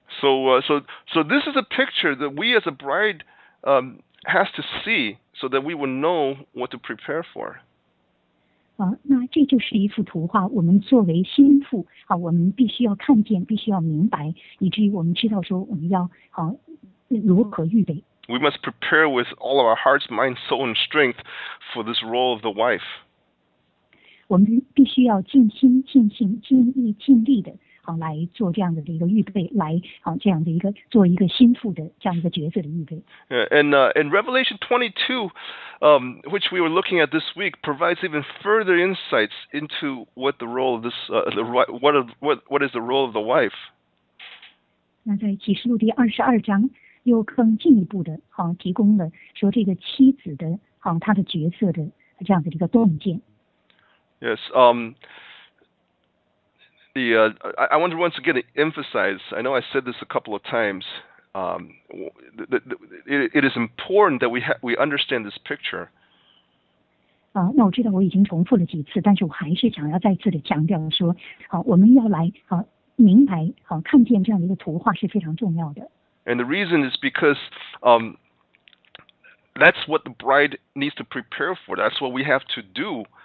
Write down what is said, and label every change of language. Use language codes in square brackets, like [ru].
[en] So this is a picture that we as a bride has to see so that we will know what to prepare for. [zh] 那这就是一幅图画，我们作为新妇我们必须要看见，必须要明白，以至于我们知道说我们要如何预备。 [en] We must prepare with all of our hearts, mind, soul, and strength for this role of the wife. [zh] 我们必须要尽心、尽性、尽意、尽力的来做这样的一个预备，来这样的一个做一个新妇的这样一个角色的预备。 [en] And Revelation 22, which we were looking at this week, provides even further insights into what the role of this what is the role of the wife. [zh] 那在启示录第二十二章又更进一步的提供了说这个妻子的她的角色的这样的一个洞见。 [en] Yes. I want to once again emphasize, I know I said this a couple of times, it is important that we understand this picture. [zh] 那我知道我已经重复了几次，但是我还是想要再次的强调说，我们要来明白，看见这样的一个图画是非常重要的。 [en] And the reason is because that's what the bride needs to prepare for, that's what we have to do.